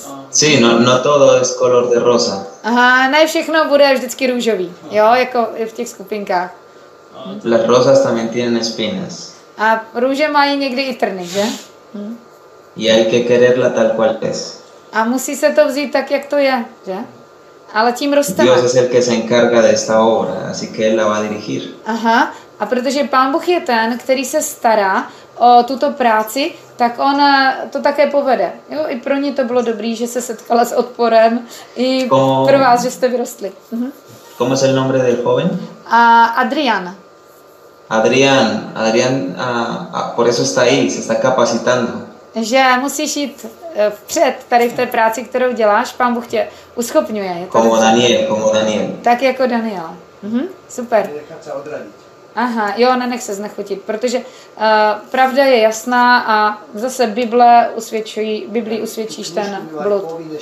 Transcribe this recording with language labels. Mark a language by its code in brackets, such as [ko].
[es] Sí, no todo es color de rosa. [cs] Aha, ne všechno bude vždycky růžový, jo, jako v těch skupinkách. [es] Las rosas también tienen espinas. [cs] A růže mají někdy i trny, že? [es] Y hay que quererla tal cual es. [cs] A musí se to vzít tak, jak to je, že? Ale tím rosteme. [es] Dios es el que se encarga de esta obra, así que él la va a dirigir. [cs] Aha, a protože Pán Bůh je ten, který se stará o tuto práci, tak on to také povede. Jo, i pro ní to bylo dobrý, že se setkala s odporem. I [es] como... [cs] pro vás, že jste vyrostli. [es] ¿Cómo es el nombre del joven? Adrián. Adrián, por eso está ahí, se está capacitando. [cs] Že musíš jít vpřed tady v té práci, kterou děláš, Pán Bůh tě uschopňuje. [es] Como Daniel. [cs] Tak jako Daniel. Super. Aha, jo, nenech se znechutit, protože pravda je jasná a zase Biblii usvědčíš ten blud.